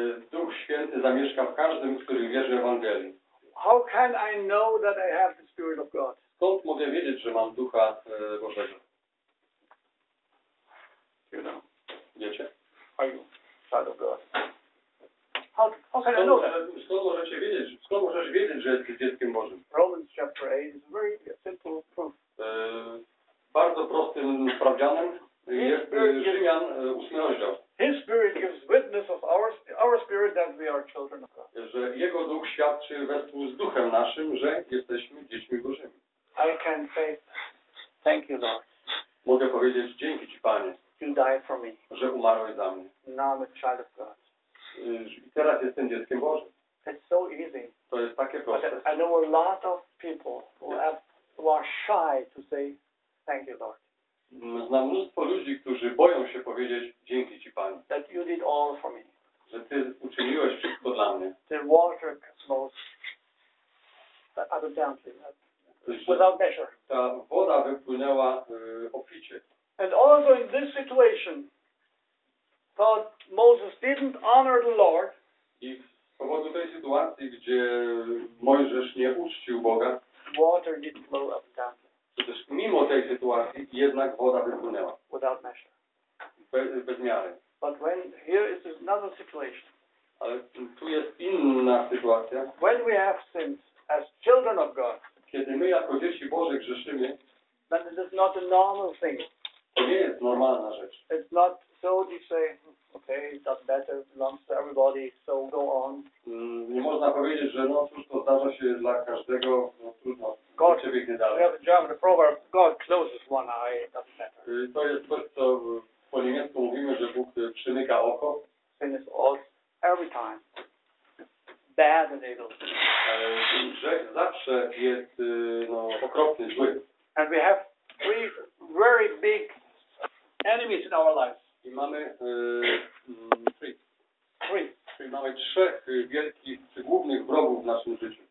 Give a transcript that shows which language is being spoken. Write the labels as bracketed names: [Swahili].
[Polish] Duch Święty zamieszka w każdym, który wierzy w Ewangelii. [English] How can I know that I have the Spirit of God? [Polish] Skąd mogę wiedzieć, że mam Ducha Bożego? [English] You know. [Polish] Wiecie? [English] Are you child of God? How can I know that? [Polish] Skąd możesz wiedzieć, że jesteś dzieckiem Bożym? [English] Romans chapter 8 is a very simple proof. [Polish] Bardzo prostym sprawdzianem jest Rzymian 8 rozdział. [English] His Spirit gives witness of our spirit that we are children of God. [Polish] Że Jego Duch świadczy wespół z Duchem naszym, że jesteśmy dziećmi Bożymi. [English] I can say, thank you, Lord. [Polish] Mogę powiedzieć, dzięki Ci, Panie. [English] You died for me. [Polish] Że umarłeś za mnie. [English] Now I'm a child of God. [Polish] I teraz jestem dzieckiem Bożym. [English] It's so easy. [Polish] To jest takie proste. [English] But I know a lot of people who are shy to say, thank you, Lord. [Polish] Znam mnóstwo ludzi, którzy boją się powiedzieć dzięki Ci, Panie. [English] That you did all for me. [Polish] Że Ty uczyniłeś wszystko dla mnie. [English] The water flows abundantly, without measure. [Polish] Ta woda wypłynęła oficie. [English] And also in this situation, thought Moses didn't honor the Lord. [Polish] I z powodu tej sytuacji, gdzie Mojżesz nie uczcił Boga, [English] water did flow abundantly. [Polish] Przecież mimo tej sytuacji jednak woda wypłynęła. [English] Without measure. [Polish] Bez miary. [English] But when here is another situation. [Polish] Ale tu jest inna sytuacja. [English] When we have sins as children of God. [Polish] Kiedy my jako dzieci Boże grzeszymy. [English] Then this is not a normal thing. [Polish] To nie jest normalna rzecz. [English] It's not so you say, okay, that's better, belongs to everybody, so go on. [Polish] Nie można powiedzieć, że no cóż, to zdarza się dla każdego, no trudno. [English] God, we have a German proverb, God closes one eye, it doesn't matter. [Polish] To jest coś, co po niemiecku mówimy, że Bóg przymyka oko. [English] Sin is all, every time, bad and evil. [Polish] Grzech zawsze jest no, okropny, zły. [English] And we have three very big enemies in our lives. [Polish] I mamy [English] three. [Polish] Czyli mamy trzech wielkich, głównych wrogów w naszym życiu.